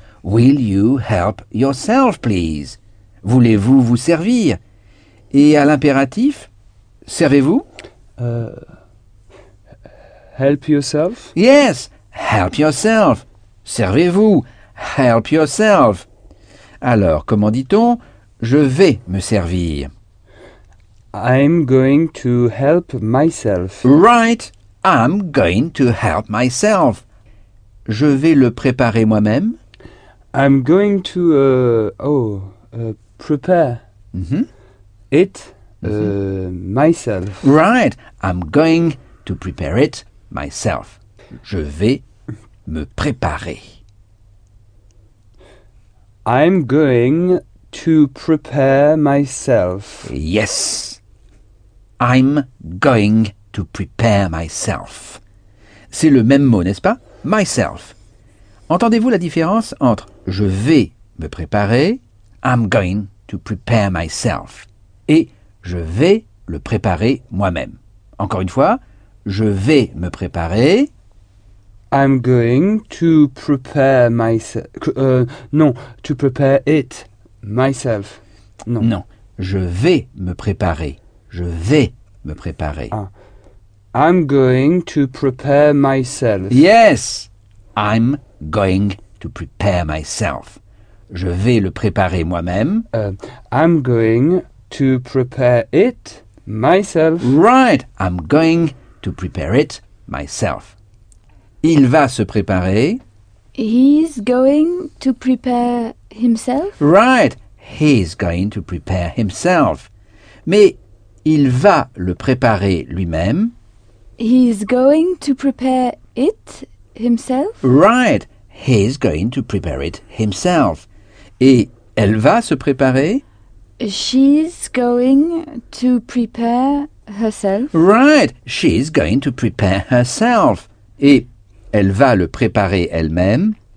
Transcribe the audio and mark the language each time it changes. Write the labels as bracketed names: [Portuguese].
[English] Will you help yourself, please? [French] Voulez-vous vous servir? Et à l'impératif, servez-vous? [English] Help yourself? Yes, help yourself. [French] Servez-vous, [English] help yourself. [French] Alors, comment dit-on? Je vais me servir. [English] I'm going to help myself. Right, I'm going to help myself. [French] Je vais le préparer moi-même. [English] I'm going to, prepare. Mm-hmm. It, myself. Right. I'm going to prepare it myself. [French] Je vais me préparer. [English] I'm going to prepare myself. Yes. I'm going to prepare myself. [French] C'est le même mot, n'est-ce pas? Myself. Entendez-vous la différence entre je vais me préparer, [English] I'm going to prepare myself. [French] Et je vais le préparer moi-même. Encore une fois, je vais me préparer. [English] I'm going to prepare myself. To prepare it myself. Non. [French] Non. Je vais me préparer. Je vais me préparer. Ah. [English] I'm going to prepare myself. Yes. I'm going to prepare myself. [French] Je vais le préparer moi-même. [English] I'm going to prepare it myself. Right, I'm going to prepare it myself. [French] Il va se préparer. [English] He's going to prepare himself. Right, he's going to prepare himself. [French] Mais il va le préparer lui-même. [English] He's going to prepare it himself. Right, he's going to prepare it himself. [French] Et elle va se préparer. [English] She's going to prepare herself. Right, she's going to prepare herself. [French] Et elle va le préparer elle-même.